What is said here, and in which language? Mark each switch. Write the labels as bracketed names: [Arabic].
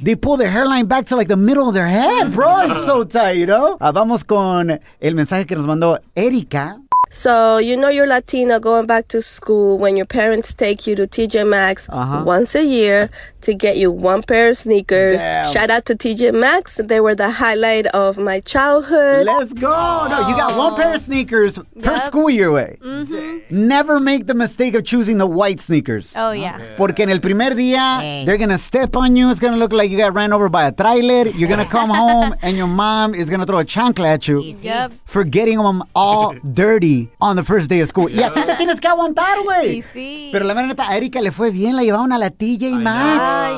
[English] They pull their hairline back to like the middle of their head, bro. It's so tight, you know? [Spanish] Vamos con el mensaje que nos mandó Erika. [English] So, you know you're Latina going back to school when your parents take you to TJ Maxx uh-huh. once a year to get you one pair of sneakers. Damn. Shout out to TJ Maxx. They were the highlight of my childhood. Let's go. No, you got one pair of sneakers yep. per school year way. Mm-hmm. Never make the mistake of choosing the white sneakers. Oh, yeah. yeah. [Spanish] Porque en el primer día, [English] hey. They're going to step on you. It's going to look like you got ran over by a trailer. You're going to come home and your mom is going to throw a chancla at you yep. for getting them all dirty. On the first day of school. [Spanish] Yeah. Y así te tienes que aguantar, güey. Sí, sí. Pero la verdad, a Erika le fue bien. La llevaban a la TJ Maxx.